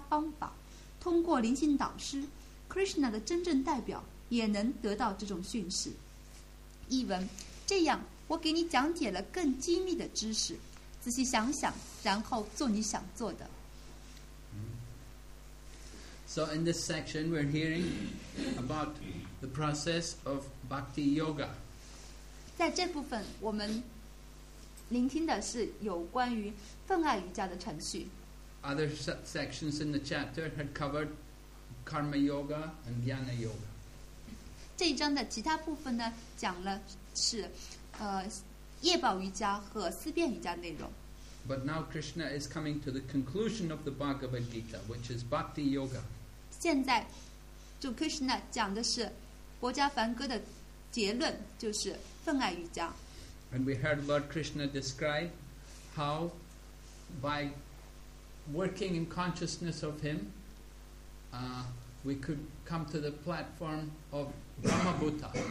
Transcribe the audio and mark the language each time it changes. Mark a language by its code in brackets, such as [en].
[zh] 在皈依之前，人可以竭尽自己的智力所能，仔细地思考这个问题。这是接受至尊人格守神训示的最佳方法。通过灵性导师 ，Krishna 的真正代表也能得到这种训示。译文：这样，我给你讲解了更机密的知识，仔细想想，然后做你想做的。 [en] So in this section, we're hearing about the process of bhakti yoga. [zh] 在这部分，我们聆听的是有关于分爱瑜伽的程序。 [en] Other sections in the chapter had covered karma yoga and jnana yoga. [zh] 这一章的其他部分呢，讲了是，业宝瑜伽和思辨瑜伽内容。 [en] But now Krishna is coming to the conclusion of the Bhagavad Gita, which is Bhakti Yoga. [zh] 现在，就 Krishna 讲的是《薄伽梵歌》的结论，就是分爱瑜伽。 [en] And we heard Lord Krishna describe how by working in consciousness of Him, we could come to the platform of Brahma Bhuta.